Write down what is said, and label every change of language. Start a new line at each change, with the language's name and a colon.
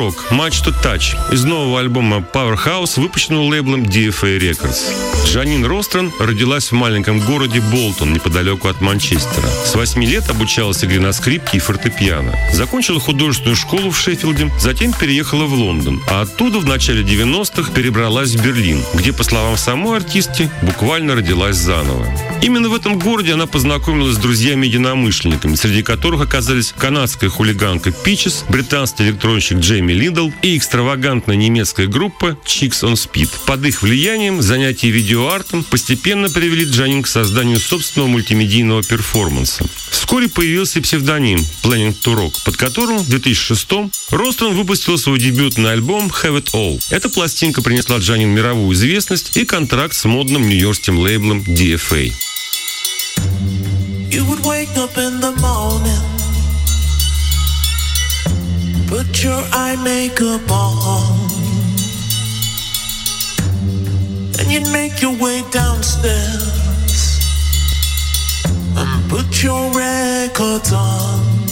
Russian: «Much to Touch» из нового альбома «Powerhouse», выпущенного лейблом DFA Records. Джанин Рострон родилась в маленьком городе Болтон, неподалеку от Манчестера. С 8 лет обучалась игре на скрипке и фортепиано. Закончила художественную школу в Шеффилде, затем переехала в Лондон. А оттуда в начале 90-х перебралась в Берлин, где, по словам самой артистки, буквально родилась заново. Именно в этом городе она познакомилась с друзьями-единомышленниками, среди которых оказались канадская хулиганка Peaches, британский электронщик Джейми Линдл и экстравагантная немецкая группа Chicks on Speed. Под их влиянием занятия видеоартом постепенно привели Джанин к созданию собственного мультимедийного перформанса. Вскоре появился псевдоним «Planet to Rock», под которым в 2006-м Рострон выпустил свой дебютный альбом «Have It All». Эта пластинка принесла Джанин мировую известность и контракт с модным нью-йоркским лейблом DFA.
English: You would wake up in the morning, put your I make a bomb. And you'd make your way downstairs and put your records on.